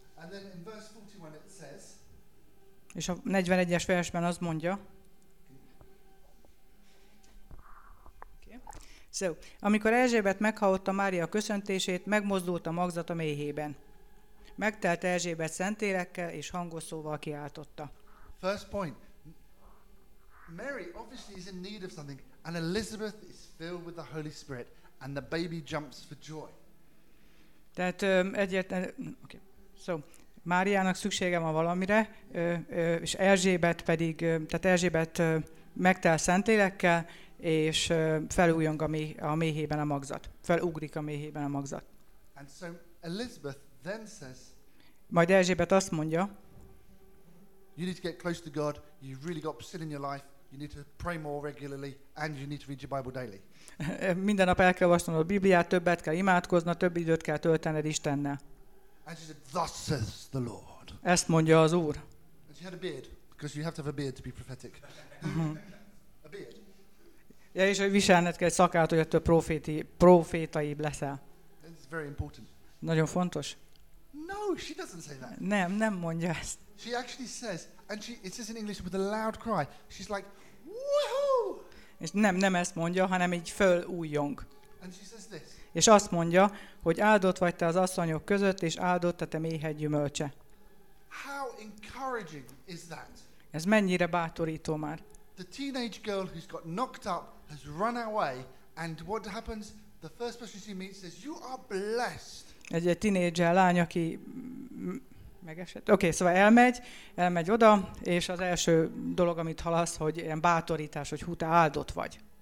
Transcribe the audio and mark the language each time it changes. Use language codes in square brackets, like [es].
[en] And then in verse 41 it says. [hu] És a 41-es versben azt mondja. So, amikor Elzsébet meghallotta Mária köszöntését, megmozdult a magzat a méhében. Megtelt Elzsébet Szentlélekkel és hangos szóval kiáltotta. [en] First point. Mary obviously is in need of something, and Elizabeth is filled with the Holy Spirit, and the baby jumps for joy. [hu] Tehát egyértelműen, okay. So, Máriának szüksége van valamire, és Elzsébet pedig, tehát Elzsébet megtel Szentlélekkel, és felújjon a méhében a magzat. Felugrik a méhében a magzat. [en] And so Elizabeth then says, [hu] majd Elzsébet azt mondja, [en] you need to get close to God, you've really got sin in your life, you need to pray more regularly, and you need to read your Bible daily. [hu] Minden nap el kell olvasnod a Bibliát, többet kell imádkoznod, több időt kell töltened Istennel. [en] And she said, thus says the Lord. [hu] Ezt mondja az Úr. [en] And she had a beard, because you have to have a beard to be prophetic. A beard. [hu] Ja, és hogy viselned kell egy szakállat, hogy ettől profétaibb leszel. [en] It's very important. [hu] Nagyon fontos. [en] No, she doesn't say that. [hu] Nem, nem mondja ezt. [en] She actually says, and she, it says in English with a loud cry. She's like, woohoo! [hu] És nem ezt mondja, hanem így fölújjong. [en] And she says this. [hu] És azt mondja, hogy áldott vagy te az asszonyok között, és áldott a te méhed gyümölcse. [en] How encouraging is that? [hu] Ez mennyire bátorító már. [en] The teenage girl who's got knocked up has run away, and what happens? The first person she meets says, "You are blessed." [hu] Egy tínédzser lány, aki megesett. Okay, szóval elmegy oda, és az első dolog, amit hallasz, hogy ilyen bátorítás, hogy hú, te áldott vagy.